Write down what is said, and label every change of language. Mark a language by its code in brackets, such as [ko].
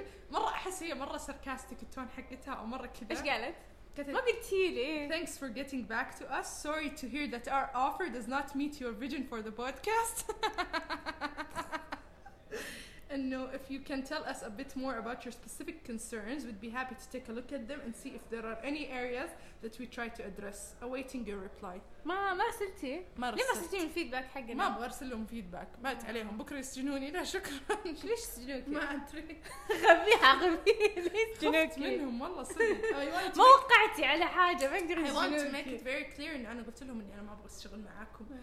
[ar] مرة أحس هي مرة sarcastic التون حقتها أو مرة كذا. إيش قالت؟ ما قلتي لي. [en] Thanks for getting back to us. Sorry to hear that our offer does not meet your vision for the podcast. And no, if you can tell us a bit more about your specific concerns, we'd be happy to take a look at them and see if there are any areas that we try to address. Awaiting your reply. [ar] ما رسلتي؟ ما رسلت. ليه ما رسلتي من فيدباك حقنا؟ ما أبغى أرسل لهم فيدباك. مات عليهم. بكرة يسجنوني. لا شكرا. ليش سجنوك؟ ما أدري. غبي. ليش سجنوك؟ خفت منهم والله صدق. ما وقعتي على حاجة. ما أقدر أسجنوك. [en] I want to make it very clear [ar] إن أنا قلت لهم إني أنا ما أبغى أشتغل معاكم.